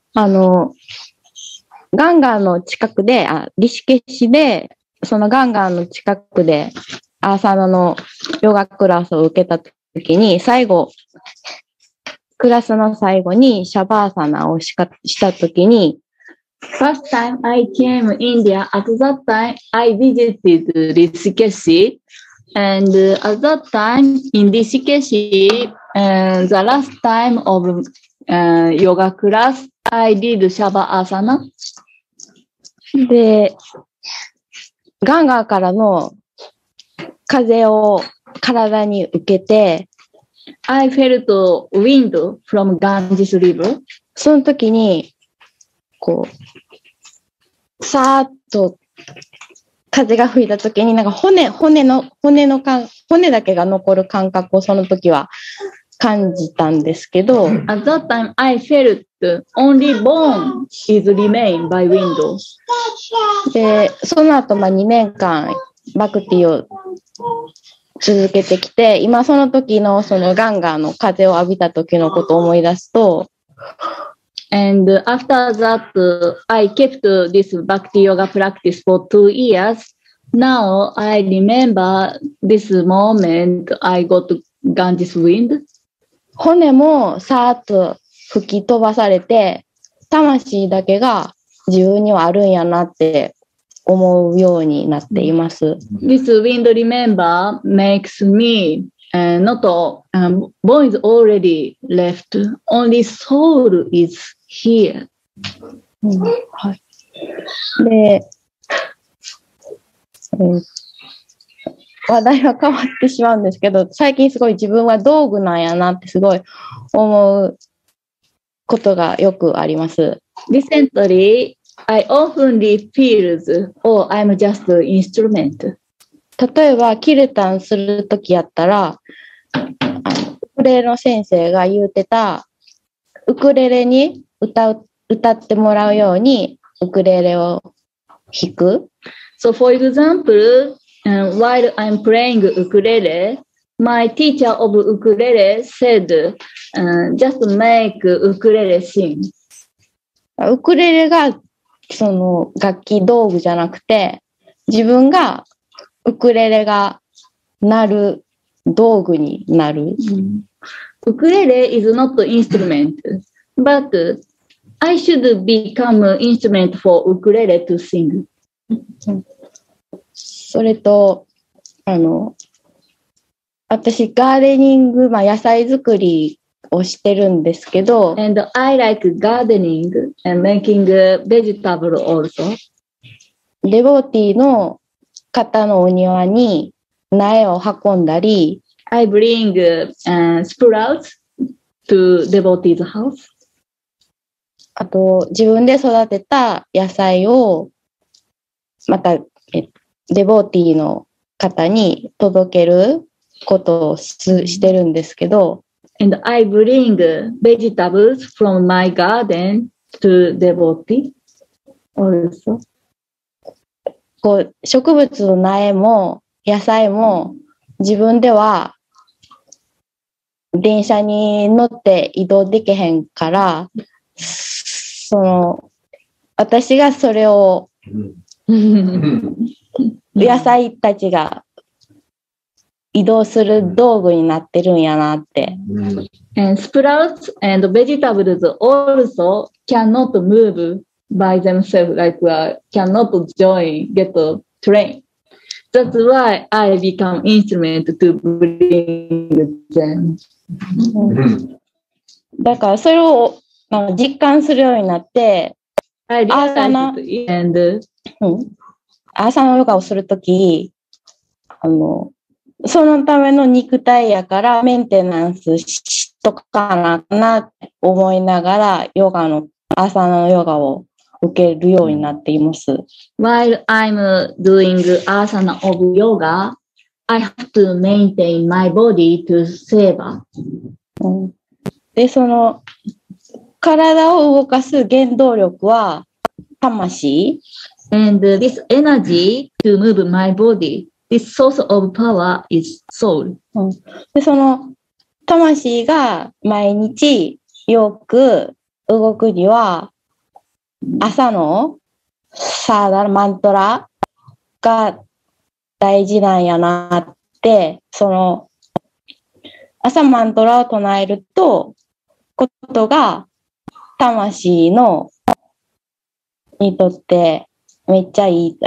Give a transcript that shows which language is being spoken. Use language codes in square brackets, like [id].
[ja] あの、ガンガンの近くで、あ、リシケシで、そのガンガンの近くで、アーサナのヨガクラスを受けた時に、最後、クラスの最後にシャバーサナをしたときに、 [en] First time I came India, at that time I visited Rishikeshi, and at that time in Rishikeshi, the last time of yoga class, I did シャバーサナ。 [ja] で、ガンガーからの風を体に受けて、 [en] I felt wind from Ganges River. [ja] その時に、こう、さーっと風が吹いた時に、なんか骨だけが残る感覚をその時は感じたんですけど。 [en] At that time, I felt only bone is remain by wind. [ja] で、その後、まあ、2年間、バクティを続けてきて、今その時のそのガンガーの風を浴びた時のことを思い出すと、 [en] And after that, I kept this Bhakti Yoga practice for 2 years. Now I remember this moment I got Ganges wind. [ja] 骨もさーっと吹き飛ばされて、魂だけが自分にはあるんやなって、思うようになっています。 [en] This wind remember makes me not bone is already left. Only soul is here.、 [ja] うん、はい。で、話題は変わってしまうんですけど、最近すごい自分は道具なんやなってすごい思うことがよくあります。 [en] Recently,I often feel, oh, I'm just an instrument. [ja] 例えば、キルタンするときやったら、ウクレレの先生が言うてた、ウクレレに歌ってもらうように、ウクレレを弾く。 [en] So, for example, while I'm playing ukulele, my teacher of ukulele said, just make ukulele sing. [ja] ウクレレがその楽器道具じゃなくて、自分がウクレレが鳴る道具になる。 [en] ウクレレ is not instrument, but I should become instrument for ウクレレ to sing. [ja] それと、あの、私、ガーデニング、まあ、野菜作り、をしてるんですけど、 [en] And I like gardening and making vegetable also. [ja] デボーティーの方のお庭に苗を運んだり、 [en] I bring sprouts to devotee's house. [ja] あと自分で育てた野菜をまたデボーティーの方に届けることをしてるんですけど。 [en] And I bring vegetables from my garden to devotee also. [ja] こう植物の苗も野菜も自分では電車に乗って移動できへんから、その私がそれを野菜たちが移動する道具になってるんやなって。 [en] And sprouts and vegetables also cannot move by themselves, like cannot join, get a train. That's why I become instrument to bring them. [ja] だからそれを実感するようになって、アーサナヨガをするとき、そのための肉体やからメンテナンスしとかなかなって思いながらヨガの、アーサナヨガを受けるようになっています。 [en] While I'm doing asana of yoga, I have to maintain my body to save. [ja] で、その、体を動かす原動力は、魂? [en] And this energy to move my body, this source of power is soul. [ja] で、その魂が毎日よく動くには朝のサーダラマントラが大事なんやなって、その朝マントラを唱えるとことが魂のにとってめっちゃいい。